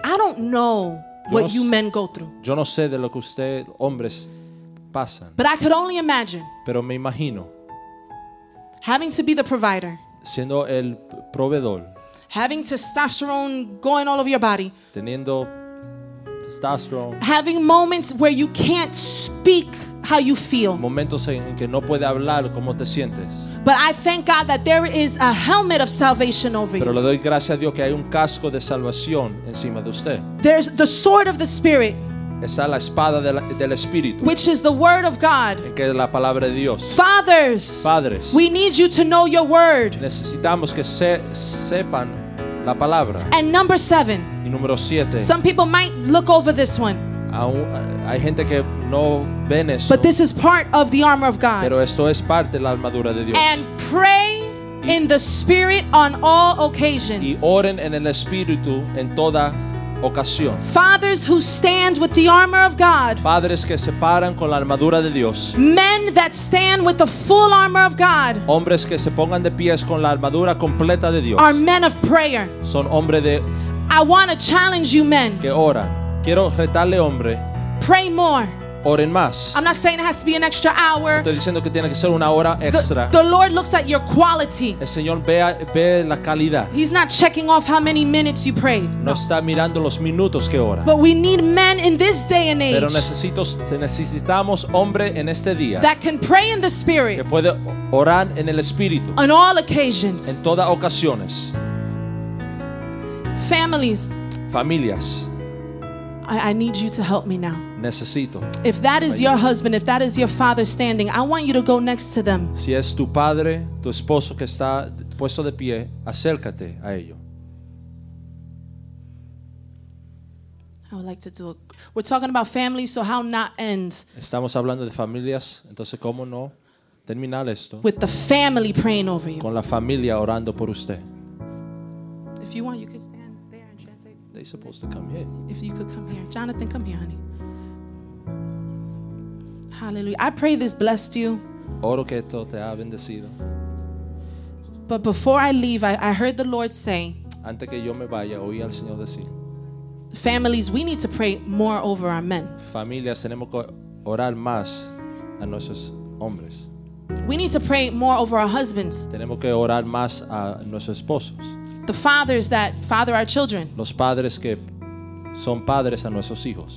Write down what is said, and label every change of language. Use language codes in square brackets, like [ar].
[en] I don't know what you men go through. [es] Yo no sé de lo que usted hombres pasan. [en] But I could only imagine. [es] Pero me imagino. [en] Having to be the provider. [es] Siendo el proveedor. [en] Having testosterone going all over your body. [es] Teniendo testosterone. [en] Having moments where you can't speak how you feel. [es] Momentos en que no puede hablar cómo te sientes. [en] But I thank God that there is a helmet of salvation over you. [es] Pero le doy gracias a Dios que hay un casco de salvación encima de usted. [en] There's the sword of the Spirit. [es] Esa es la espada del Espíritu. [en] Which is the word of God. [es] Que es la palabra de Dios. [en] Fathers. [es] Padres. [en] We need you to know your word. [es] Necesitamos que sepan la palabra. [en] And number 7. [es] Y número 7. [en] Some people might look over this one. [es] Hay gente que no ven eso. [en] But this is part of the armor of God. [es] Pero esto es parte de la armadura de Dios. [en] And pray in the Spirit on all occasions. [es] Y oren en el Espíritu en toda ocasión. [en] Fathers who stand with the armor of God. [es] Padres que se paran con la armadura de Dios. [en] Men that stand with the full armor of God. [es] Hombres que se pongan de pies con la armadura completa de Dios. [en] Are men of prayer. [es] Son hombre de. [en] I want to challenge you, men. [es] Que ora. Quiero retarle, hombre. [en] Pray more. [es] Oren más. [en] I'm not saying it has to be an extra hour. [es] No estoy diciendo que tiene que ser una hora extra. [en] The Lord looks at your quality. [es] El Señor ve la calidad. [en] He's not checking off how many minutes you prayed. [es] No está mirando los minutos que ora. [en] But we need men in this day and age. [es] Pero necesitamos hombre en este día. [en] That can pray in the Spirit. [es] Que puede orar en el Espíritu. [en] On all occasions. [es] En todas ocasiones. [en] Families. [es] Familias. [en] I need you to help me now. [es] Necesito. [en] If that is your husband, if that is your father standing, I want you to go next to them. [es] Si es tu padre, tu esposo que está puesto de pie, acércate a ello. [en] I would like to do. We're talking about family, so how not end? [es] Estamos hablando de familias, entonces cómo no terminar esto. [en] With the family praying over you. [es] Con la familia orando por usted. [en] If you want, you can. They're supposed to come here. If you could come here. Jonathan, come here, honey. Hallelujah. I pray this blessed you. [es] Oro que esto te ha bendecido. [en] But before I leave, I heard the Lord say. [es] Antes que yo me vaya, oí al Señor decir. [en] Families, we need to pray more over our men. [es] Familias, tenemos que orar más a nuestros hombres. [en] We need to pray more over our husbands. [es] Tenemos que orar más a nuestros esposos. [en] The fathers that father our children. [es] Los padres que son padres a nuestros hijos.